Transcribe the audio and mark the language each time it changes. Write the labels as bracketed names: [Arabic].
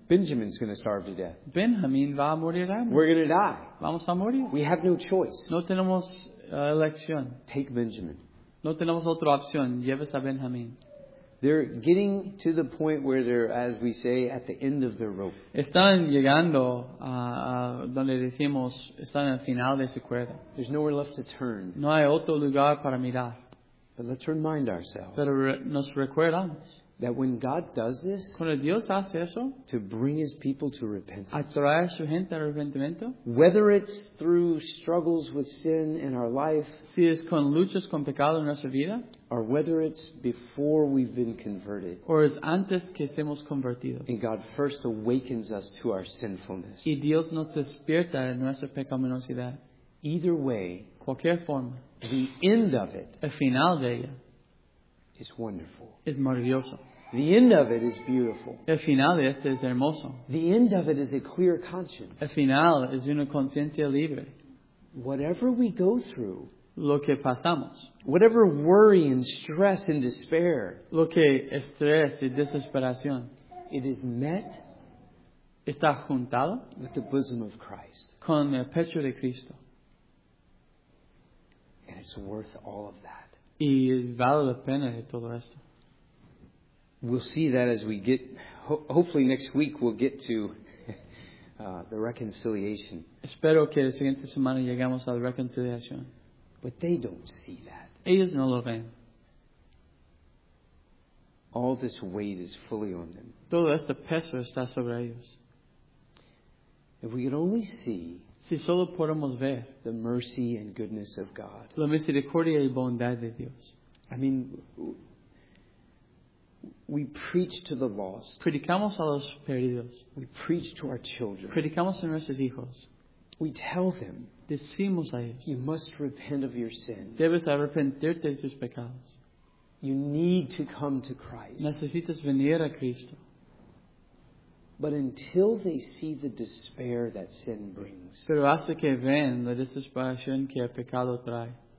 [English] Benjamin's going to starve to death. [Spanish] Benjamín va a morir de hambre. [English] We're going to die. [Spanish] Vamos a morir. [English] We have no choice. [Spanish] No tenemos elección. [English] Take Benjamin. [Spanish] No tenemos otra opción. Lleves a Benjamín. [English] They're getting to the point where they're, as we say, at the end of their rope. [Spanish] Están llegando a donde decimos, están al final de su cuerda. [English] There's nowhere left to turn. [Spanish] No hay otro lugar para mirar. [English] But let's remind ourselves. [Spanish] Pero nos recordamos. [English] That when God does this, [Spanish] cuando Dios hace eso, [English] to bring his people to repentance, [Spanish] a traer su gente al arrepentimiento, [English] whether it's through struggles with sin in our life, [Spanish] si es con luchas con pecado en nuestra vida, [English] or whether it's before we've been converted, [Spanish] or es antes que seamos convertidos, [English] and God first awakens us to our sinfulness, [Spanish] y Dios nos despierta de nuestra pecaminosidad, [English] either way, [Spanish] cualquier forma, [English] the end of it, [Spanish] el final de ella, [English] is wonderful. [Spanish] Es maravilloso. [English] The end of it is beautiful. [Spanish] El final de este es hermoso. [English] The end of it is a clear conscience. [Spanish] El final es una conciencia libre. [English] whatever we go through, [Spanish] lo que pasamos, [English] whatever worry and stress and despair, [Spanish] lo que estrés y desesperación, [English] it is met, [Spanish] está juntado, [English] with the bosom of Christ, [Spanish] con el pecho de Cristo, [English] and it's worth all of that. [Spanish] Y es vale la pena de todo esto. [English] We'll see that as we get, hopefully next week we'll get to the reconciliation. [Spanish] Espero que la siguiente semana lleguemos a la reconciliación. [English] But they don't see that. [Spanish] Ellos no lo ven. [English] All this weight is fully on them. [Spanish] Todo este peso está sobre ellos. [English] If we could only see, [Spanish] si solo podemos ver, [English] the mercy and goodness of God. [Spanish] La misericordia y bondad de Dios. [English] I mean, we preach to the lost. [Spanish] Predicamos a los perdidos. [English] We preach to our children. [Spanish] Predicamos a nuestros hijos. [English] We tell them. [Spanish] Decimos a ellos. [English] You must repent of your sins. [Spanish] Debes arrepentirte de tus pecados. [English] You need to come to Christ. [Spanish] Necesitas venir a Cristo. [English] But until they see the despair that sin brings. [Spanish] Pero hasta que ven la desesperación que el pecado trae.